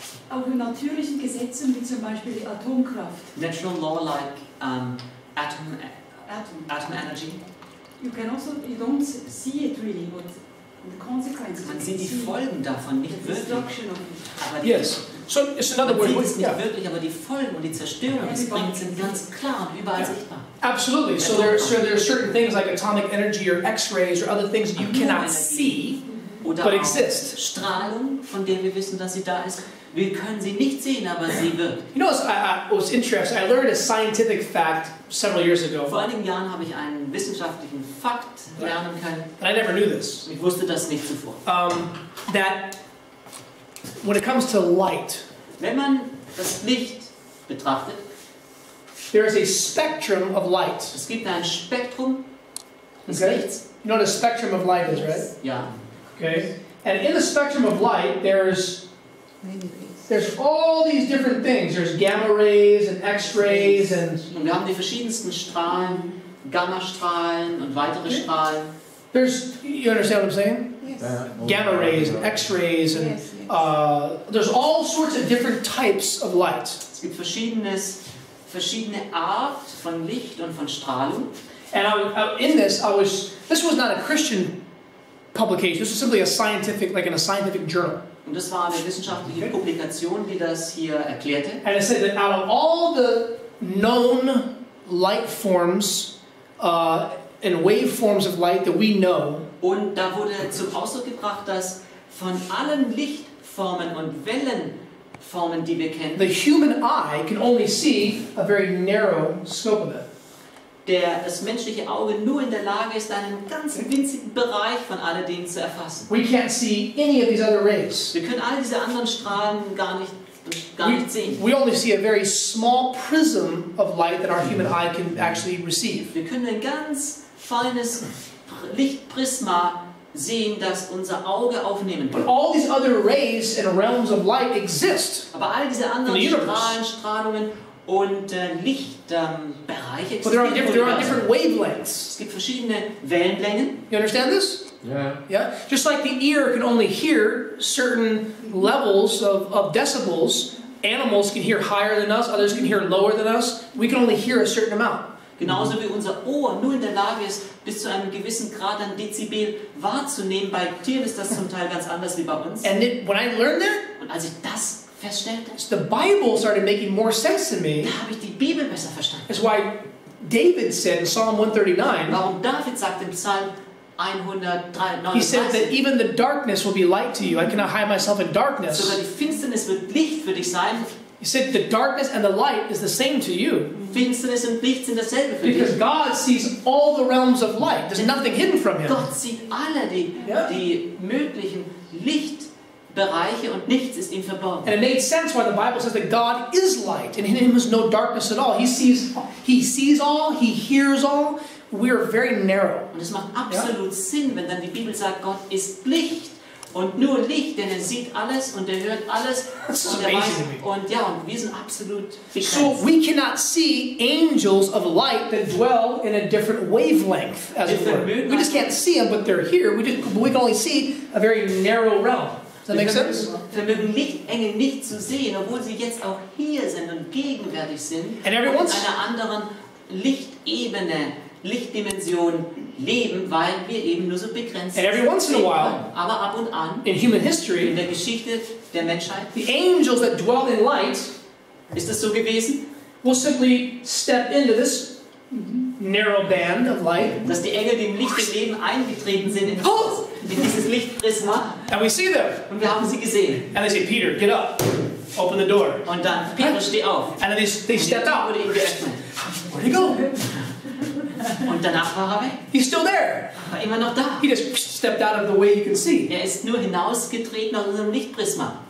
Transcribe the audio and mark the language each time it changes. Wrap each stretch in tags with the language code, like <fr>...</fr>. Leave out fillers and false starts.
<de>Auch in natürlichen Gesetzen, wie zum Beispiel die Atomkraft.</de> <en>Natural law like atom energy. You don't see it really, but the consequences.</en> <de>Man sieht die Folgen davon nicht wirklich.</de> <en>Yes. So it's another word.</en> <de>Man sieht es nicht wirklich, aber die Folgen und die Zerstörung, die es bringt, sind ganz klar und überall sichtbar.</de> <en>Absolutely. So there are certain things like atomic energy or X-rays or other things that you cannot see, but exist.</en> <de>Strahlung, von der wir wissen, dass sie da ist. Wir können sie nicht sehen, aber sie wird.</de> <en>You know, what's interesting. I learned a scientific fact several years ago.</en> <de>Vor einigen Jahren habe ich einen wissenschaftlichen Fakt lernen können.</de> <en>I never knew this.</en> <de>Ich wusste das nicht zuvor.</de> <en>That when it comes to light,</en> <de>wenn man das Licht betrachtet.</de> <en>There is a spectrum of light.</en> <de>Es gibt ein Spektrum des Lichts.</de> <en>You know what a spectrum of light is, right?</en> <de>Ja.</de> <en>Okay. And in the spectrum of light, there's all these different things. There's gamma rays and X-rays and.</en> <de>Und wir haben die verschiedensten Strahlen, Gammastrahlen und weitere Strahlen.</de> <en>There's, you understand what I'm saying? Yes. Gamma rays and X-rays and there's all sorts of different types of light.</en> <de>Es gibt verschiedene Art von Licht und von Strahlung.</de> <en>And this was not a Christian publication. This was simply a scientific, like in a scientific journal.</en> <de>Und das war eine wissenschaftliche Publikation, die das hier erklärte.</de> <en>And it said that out of all the known light forms and waveforms of light that we know.</en> <de>Und da wurde zum Ausdruck gebracht, dass von allen Lichtformen und Wellenformen, die wir kennen.</de> <en>The human eye can only see a very narrow scope of it.</en> <de>Der das menschliche Auge nur in der Lage ist, einen ganz winzigen Bereich von alledem zu erfassen.</de> <en>We can't see any of these other rays.</en> <de>Wir können all diese anderen Strahlen gar nicht sehen.</de> <en>We only see a very small prism of light that our human eye can actually receive.</en> <de>Wir können ein ganz feines Lichtprisma sehen, das unser Auge aufnehmen kann.</de> <en>But all these other rays and realms of light exist.</en> <de>Aber all diese anderen Strahlungen und Lichtbereiche.</de> <en>But there are different wavelengths.</en> <de>Es gibt verschiedene Wellenlängen.</de> <en>You understand this? Yeah. Yeah. Just like the ear can only hear certain levels of decibels, animals can hear higher than us, others can hear lower than us. We can only hear a certain amount.</en> <de>Genauso wie unser Ohr nur in der Lage ist, bis zu einem gewissen Grad an Dezibel wahrzunehmen. Bei Tieren ist das zum Teil ganz anders wie bei uns.</de> <en>And then, when I learned that,</en> <de>und als ich das feststellte,</de> <en>so the Bible started making more sense to me.</en> <de>Da habe ich die Bibel besser verstanden.</de> <en>That's why David said in Psalm 139.</en> <de>Warum David sagt im Psalm 139.</de> <en>He said that even the darkness will be light to you. I cannot hide myself in darkness.</en> <de>Sogar die Finsternis wird Licht für dich sein.</de> <en>He said the darkness and the light is the same to you.</en> <de>Finsternis und Licht sind dasselbe für dich.</de> <en>Because God sees all the realms of light. There's nothing hidden from him.</en> <de>Gott sieht alle die möglichen Lichtbereiche und nichts ist ihm verborgen.</de> <en>And it made sense why the Bible says that God is light and in him is no darkness at all. He sees all, he hears all. We are very narrow.</en> <de>Und es macht absolut Sinn, wenn dann die Bibel sagt, Gott ist Licht. Und nur Licht, denn er sieht alles und er hört alles. Und wir sind absolut begrenzt.</de> <en>So we cannot see angels of light that dwell in a different wavelength, as it were. We just can't see them, but they're here. We can only see a very narrow realm. Does that make sense?</en> <de>Wir mögen Lichtengel nicht zu sehen, obwohl sie jetzt auch hier sind und gegenwärtig sind.</de> <en>And</en> <de>in einer anderen Lichtebene, Lichtdimension leben, weil wir eben nur so begrenzt</de> <en>and every once in a while,</en> <de>aber ab und an,</de> <en>in human history,</en> <de>in der Geschichte der Menschheit,</de> <en>the angels that dwell in light,</en> <de>ist das so gewesen,</de> <en>will simply step into this narrow band of light,</en> <de>dass die Engel, die im Licht leben, eingetreten sind in dieses Lichtprisma,</de> <en>and we see them,</en> <de>und wir haben sie gesehen,</de> <en>and they say, Peter, get up, open the door,</en> <de>und dann Peter steht auf,</de> <en>and then they step out,</en> <de>wurde</de> <en>where'd he go?</en> <de>Und danach war er weg.</de> <en>He's still there.</en> <de>Aber immer noch da.</de> <en>He just stepped out of the way you can see.</en> <de>Er ist nur hinausgetreten aus unserem Lichtprisma.</de>